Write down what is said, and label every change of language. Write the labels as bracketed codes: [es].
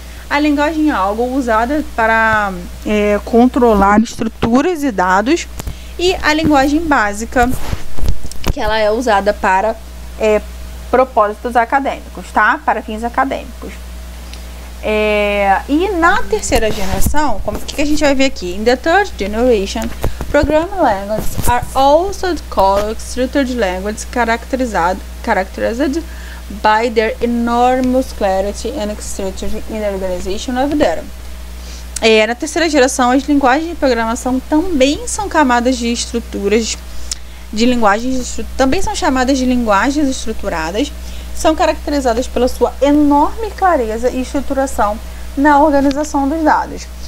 [pt] A linguagem ALGOL, usada para controlar estruturas e dados. E a linguagem básica, que ela é usada para propósitos acadêmicos, tá? Para fins acadêmicos. E na terceira geração, o que a gente vai ver aqui? [en] In the third generation, programming languages are also called structured languages characterized by their enormous clarity and structure in the organization of data. [pt] Na terceira geração, as linguagens de programação também são camadas de estruturas de linguagens, também são chamadas de linguagens estruturadas, são caracterizadas pela sua enorme clareza e estruturação na organização dos dados.